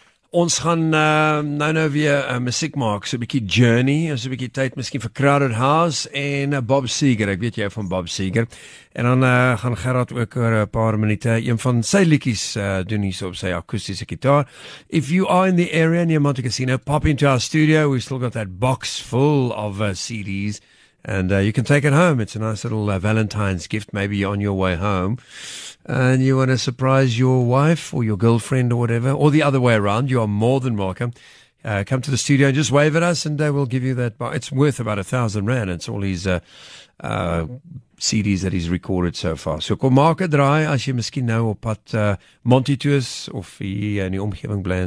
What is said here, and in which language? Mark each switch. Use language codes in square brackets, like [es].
[af] Ons gaan nou weer muziek maak, so bykie Journey, en so bykie tyd miskien vir Crowded House, en Bob Seger, ek weet jy van Bob Seger, en dan gaan Gerard ook oor 'n paar minute, een van sy liedjies doen hier so op sy akoestiese gitaar. [en] If you are in the area near Monte Cassino, pop into our studio, we've still got that box full of CDs, and you can take it home, it's a nice little Valentine's gift, maybe you're on your way home. And you want to surprise your wife or your girlfriend or whatever, or the other way around, you are more than welcome. Come to the studio and just wave at us and we'll give you that. It's worth about R1,000. It's all these CDs that he's recorded so far. [af] So kom maak 'n draai as jy miskien nou op pad Monty toe is of hier in die omgewing bly.